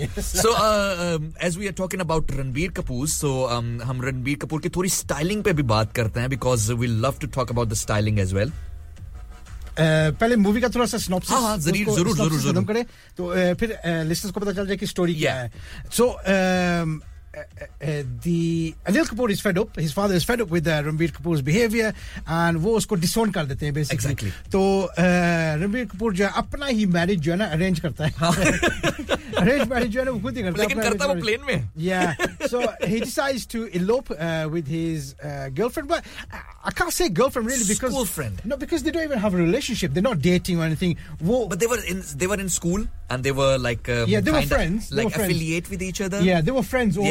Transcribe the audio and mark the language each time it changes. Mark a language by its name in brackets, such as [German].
[English] yes so as we are talking about Ranbir Kapoor so [Hindi] हम रणबीर कपूर की थोड़ी स्टाइलिंग पे भी बात करते हैं [English] because we love to talk about the styling as well [Hindi] पहले मूवी का थोड़ा सा सिनॉप्सिस हाँ, हाँ, जरूर जरूर जरूर खत्म करें तो फिर लिसनर्स को पता चल जाए कि स्टोरी क्या है सो [English] Anil Kapoor is fed up. His father is fed up with Ranbir Kapoor's behavior, and [Hindi] वो उसको disown कर देते हैं [English] basically. Exactly. [Hindi] तो Ranbir Kapoor जो है अपना ही marriage जो है ना arrange करता है. arrange marriage जो है ना वो खुद ही करता है. लेकिन करता है वो plane में. [English] Yeah. So he decides to elope with his girlfriend, but I can't say girlfriend really because school friend. No, because they don't even have a relationship. They're not dating or anything. वो but they were in school and they were like they were friends. Like were friends. Affiliate with each other. Yeah, they were friends. Only.